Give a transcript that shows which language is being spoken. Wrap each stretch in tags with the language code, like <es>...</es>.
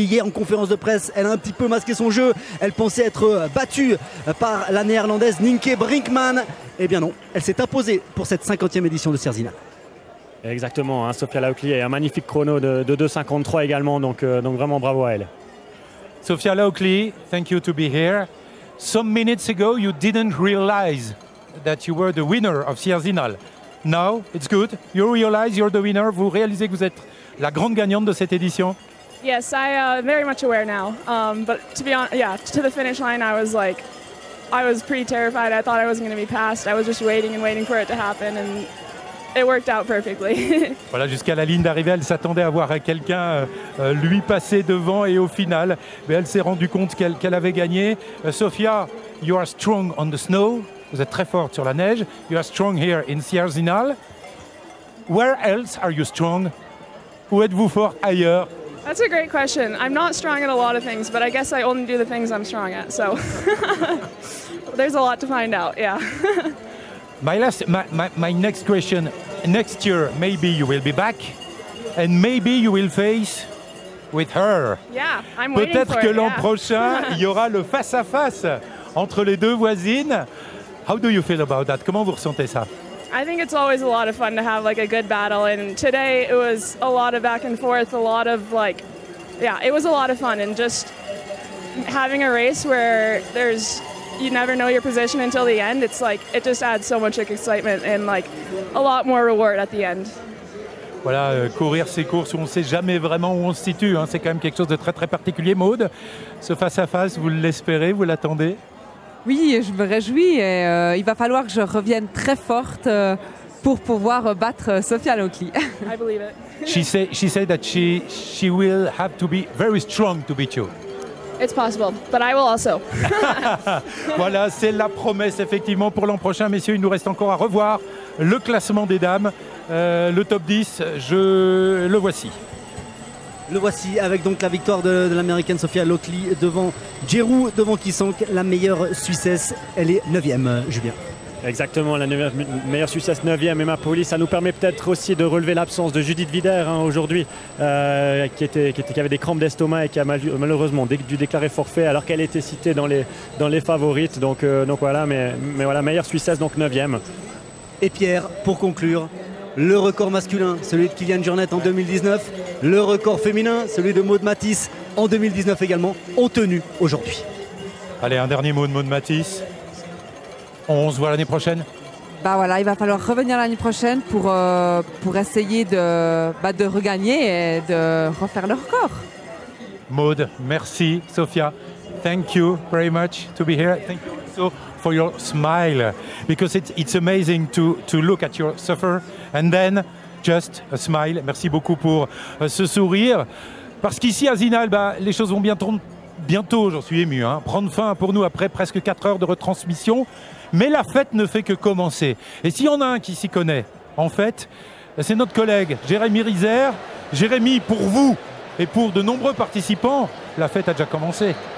<fr>Hier en conférence de presse, elle a un petit peu masqué son jeu. Elle pensait être battue par la néerlandaise Nienke Brinkman. Eh bien non, elle s'est imposée pour cette 50e édition de Sierzinal. Exactement, hein, Sophia Loutley a un magnifique chrono de 2,53 également. Donc vraiment bravo à elle.</fr> <en>Sophia Loutley, thank you to be here. Some minutes ago, you didn't realize that you were the winner of Sierzinal. Now, it's good. You realize you're the winner.</en> <fr>Vous réalisez que vous êtes la grande gagnante de cette édition.</fr> <en>Yes, I am very much aware now. But to be honest, yeah, to the finish line, I was pretty terrified. I thought I wasn't going to be passed. I was just waiting and waiting for it to happen, and it worked out perfectly.</en> <fr>Voilà, jusqu'à la ligne d'arrivée, elle s'attendait à voir quelqu'un lui passer devant, et au final, elle s'est rendue compte qu'elle avait gagné.</fr> <en>Sophia, you are strong on the snow.</en> <fr>Vous êtes très forte sur la neige.</fr> <en>You are strong here in Sierzinal. Where else are you strong?</en> <fr>Où êtes-vous fort ailleurs?</fr> <en>That's a great question. I'm not strong at a lot of things, but I guess I only do the things I'm strong at. So there's a lot to find out. Yeah. My next question. Next year, maybe you will be back, and maybe you will face with her. Yeah, I'm waiting</en> <fr>Peut-être</fr> <en>for it.</en> <fr>Peut-être que l'an</fr> <en>yeah.</en> <fr>prochain, il y aura le face à face entre les deux voisines.</fr> <en>How do you feel about that?</en> <fr>Comment vous ressentez ça?</fr> <en>I think it's always a lot of fun to have like a good battle, and today it was a lot of back and forth, a lot of like, yeah, it was a lot of fun, and just having a race where there's, you never know your position until the end, it's like, it just adds so much excitement and like a lot more reward at the end.</en> <fr>Voilà, courir ces courses où on ne sait jamais vraiment où on se situe, hein, c'est quand même quelque chose de très très particulier. Maud, ce face-à-face, vous l'espérez, vous l'attendez? Oui, je me réjouis et il va falloir que je revienne très forte pour pouvoir battre Sophia Loutley.</fr> <en>I believe it. she said that she will have to be very strong to beat you. It's possible, but I will also.</en> <fr>Voilà, c'est la promesse effectivement pour l'an prochain. Messieurs, il nous reste encore à revoir le classement des dames. Le top 10, je le voici. Le voici avec donc la victoire de l'américaine Sophia Lockley devant Giroux, devant Kisank, la meilleure Suissesse. Elle est 9e, Julien. Exactement, la meilleure Suissesse 9e. Emma Pouli, ça nous permet peut-être aussi de relever l'absence de Judith Vider hein, aujourd'hui, qui avait des crampes d'estomac et qui a malheureusement dû déclarer forfait alors qu'elle était citée dans les favorites. Donc voilà, mais voilà, meilleure Suissesse, donc 9e. Et Pierre, pour conclure, le record masculin, celui de Kylian Jornet en 2019, le record féminin, celui de Maud Matisse en 2019 également, ont tenu aujourd'hui. Allez, un dernier mot de Maud Matisse. On se voit l'année prochaine. Bah voilà, il va falloir revenir l'année prochaine pour essayer de regagner et de refaire le record. Maud, merci.</fr> <en>Sophia, thank you very much to be here. Thank you also for your smile, because it's amazing to look at your suffer and then just a smile.</en> <fr>Merci beaucoup pour ce sourire. Parce qu'ici à Zinal, bah, les choses vont bientôt, j'en suis ému, hein, prendre fin pour nous après presque 4 heures de retransmission. Mais la fête ne fait que commencer. Et s'il y en a un qui s'y connaît, en fait, c'est notre collègue Jérémy Rizer. Jérémy, pour vous et pour de nombreux participants, la fête a déjà commencé.</fr>